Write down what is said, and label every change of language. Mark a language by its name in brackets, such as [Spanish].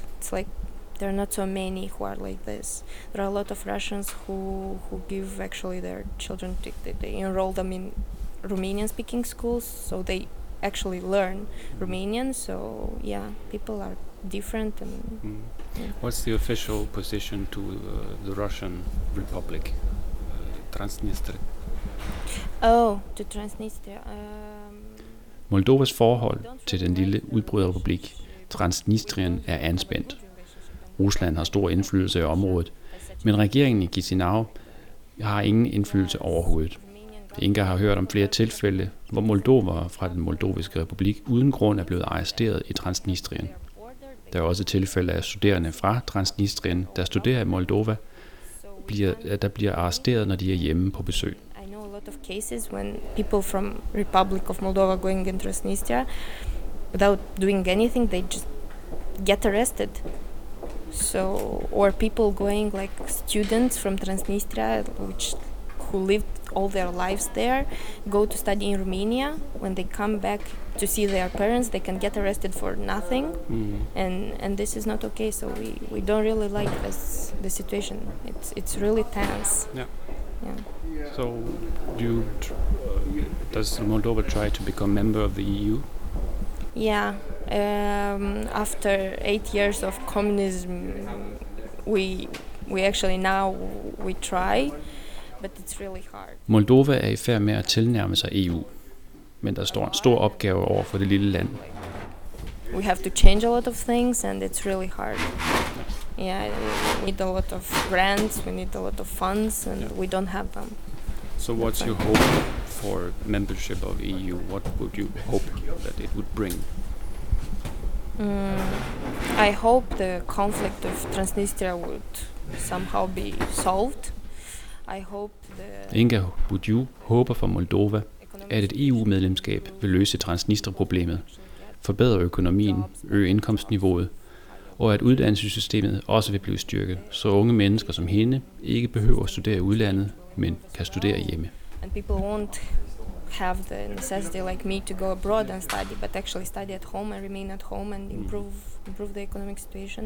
[English] It's like there are not so many who are like this. There are a lot of Russians who give actually their children they enroll them in Romanian speaking schools, so they actually learn Romanian. So, yeah, people are different. And What's the official position to the Russian Republic, Transnistria? Oh, to Transnistria. [Danish] Moldovas forhold til den lille udbryderrepublik Transnistrien er anspændt. Rusland har stor indflydelse i området, men regeringen i Chisinau har ingen indflydelse overhovedet. Inga har hørt om flere tilfælde, hvor Moldova fra den moldoviske republik uden grund er blevet arresteret i Transnistrien. Der er også tilfælde af studerende fra Transnistrien, der studerer i Moldova, der bliver arresteret, når de er hjemme på besøg. [English] Of cases when people from Republic of Moldova going in Transnistria without doing anything, they just get arrested. So, or people going like students from Transnistria, who lived all their lives there, go to study in Romania. When they come back to see their parents, they can get arrested for nothing. And this is not okay. So we don't really like this the situation. It's really tense. Yeah. So, does Moldova try to become member of the EU? Yeah, after 8 years of communism, we actually now we try, but it's really hard. [Danish] Moldova er i færd med at tilnærme sig EU, men der står en stor opgave over for det lille land. [English] We have to change a lot of things, and it's really hard. Yeah, we need a lot of grants, we need a lot of funds, and we don't have them. So what's your hope for membership of EU? What would you hope that it would bring? I hope the conflict of Transnistria would somehow be solved. I hope the [Danish] Inga Budiu håber for Moldova, at et EU-medlemskab vil løse Transnistria-problemet, forbedre økonomien, øge indkomstniveauet, og at uddannelsessystemet også vil blive styrket, så unge mennesker som hende ikke behøver at studere udlandet, men kan studere hjemme. [English] And people won't have the necessity like me to go abroad and study, but actually study at home and remain at home and improve the economic situation.